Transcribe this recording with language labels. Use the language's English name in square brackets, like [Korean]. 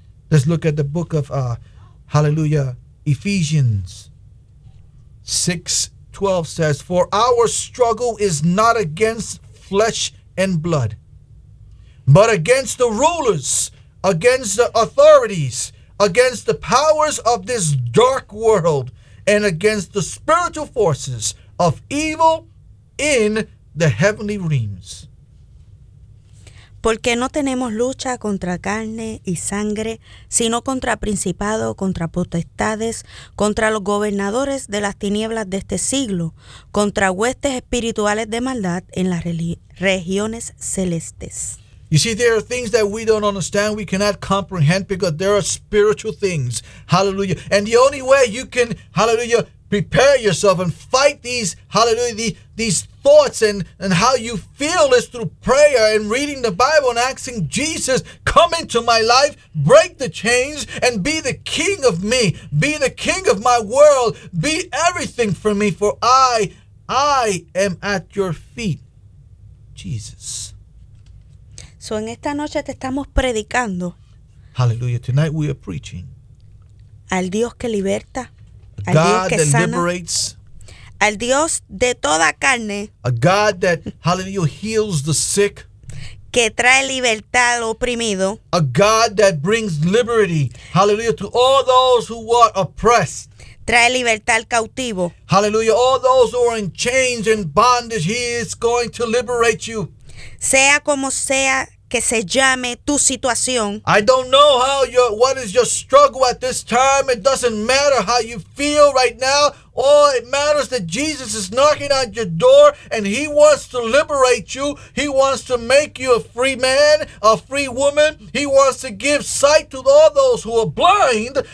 [English] Let's look at the book of hallelujah, Ephesians 6:12 says, for our struggle is not against flesh and blood, but against the rulers, against the authorities, against the powers of this dark world, and against the spiritual forces of evil in the heavenly realms. [Spanish] Porque no tenemos lucha contra carne y sangre, sino contra principados, contra potestades, contra los gobernadores de las tinieblas de este siglo, contra huestes espirituales de maldad en las regiones celestes. [English] You see, there are things that we don't understand, we cannot comprehend, because there are spiritual things. Hallelujah. And the only way you can, hallelujah, prepare yourself and fight these, hallelujah, these thoughts and how you feel is through prayer and reading the Bible and asking Jesus, come into my life, break the chains, and be the king of me, be the king of my world, be everything for me, for I am at your feet, Jesus. [Spanish] So en esta noche te estamos predicando. [English] Hallelujah. Tonight we are preaching. [Spanish] Al Dios que liberta. [English] God that liberates. [Spanish] Al Dios de toda carne. [English] A God that, hallelujah, heals the sick. [Spanish] Que trae libertad al oprimido. [English] A God that brings liberty, hallelujah, to all those who are oppressed. [Spanish] trae libertad al cautivo. [English] Hallelujah. All those who are in chains and bondage, he is going to liberate you. [Spanish] Sea como sea que se llame tu situación. [English] I don't know how your, what is your struggle at this time. It doesn't matter how you feel right now. All it matters that Jesus is knocking on your door and he wants to liberate you. He wants to make you a free man, a free woman. He wants to give sight to all those who are blind.